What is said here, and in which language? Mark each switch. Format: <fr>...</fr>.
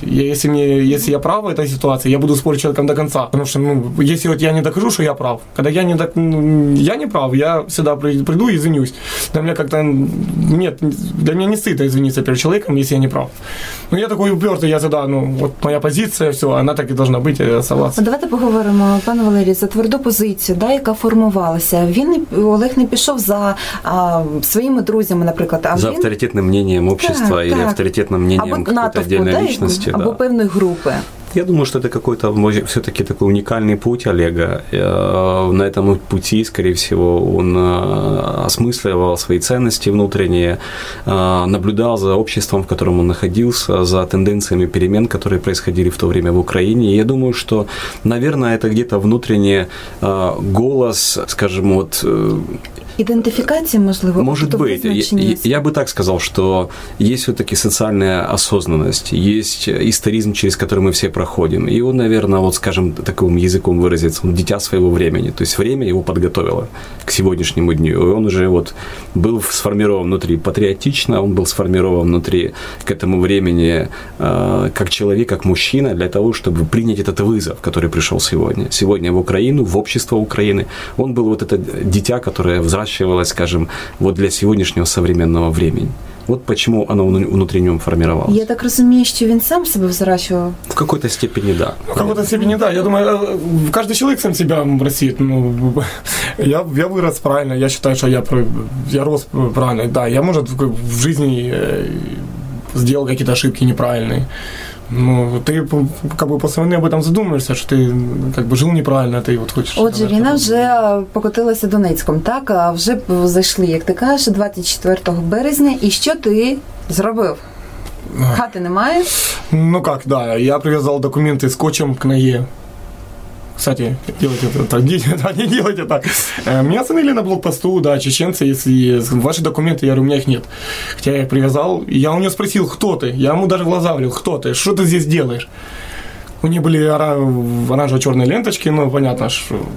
<ru>Если я прав в этой ситуации, я буду спорить с человеком до конца. Потому что, если вот я не докажу, что я прав, когда я не прав, я всегда приду и извинюсь. Для меня как-то нет, для меня не стыдно извиниться перед человеком, если я не прав. Ну, я такой упертый, я всегда,</ru> <uk>вот моя позиція, все, вона так і повинна бути, оставатися. Давайте поговоримо, пане Валерію, за тверду позицію, да, яка формувалася. Олег не пішов за своїми друзями, наприклад. За авторитетним мнінням общества і авторитетним мнінням якоїсь віддільної лічності. Або певної групи.</uk> <ru>Я думаю, что это какой-то, может, все-таки такой уникальный путь Олега. На этом пути, скорее всего, он осмысливал свои ценности внутренние, наблюдал за обществом, в котором он находился, за тенденциями перемен, которые происходили в то время в Украине. И я думаю, что, наверное, это где-то внутренний голос, скажем, вот...</ru> <uk>Ідентифікація, можливо, може бути. Я би так сказав, що є все-таки соціальна осознаність, є історизм, через який ми всі проходимо. І він, мабуть, скажем, таким язиком виразиться, він дитя свого часу. Тобто, час його підготувало к сьогоднішньому дню. І він вже був сформирован внутрі патріотично, він був сформирован внутрі к этому времени як чоловік, як мужчина, для того, щоб прийняти</uk> <ru>этот вызов,</ru> <uk>який прийшов сьогодні. Сьогодні в Україну, в общество України.</uk> <ru>Він був вот это дитя, которое взращивалось, скажем, вот для сегодняшнего современного времени. Вот почему оно внутри нём формировалось.</ru> <uk>Я так розумію, що він сам себе взращував?</uk> <ru>В какой-то степени, да. В какой-то степени, да. Я думаю, каждый человек сам себя растит. Я вырос правильно, я считаю, что я рос правильно. Да, я, может, в жизни сделал какие-то ошибки неправильные.</ru> <uk>Ну, ти після війни об этом задумуєшся, що ти жив неправильно, ти от хочеш. Отже, війна вже покотилася Донецьком, так? А вже зайшли, як ти кажеш, 24 березня. І що ти зробив? Хати немає? Ну як, да. Я прив'язав документи скотчем к ноге.</uk> <ru>Кстати, делайте так, не делайте так. Меня остановили на блокпосту, да, чеченцы, если ваши документы, я говорю, у меня их нет. Хотя я их привязал, я у него спросил, кто ты? Я ему даже в глаза влил, кто ты? Что ты здесь делаешь? У них были оранжево-черные ленточки, ну, понятно, что...</ru>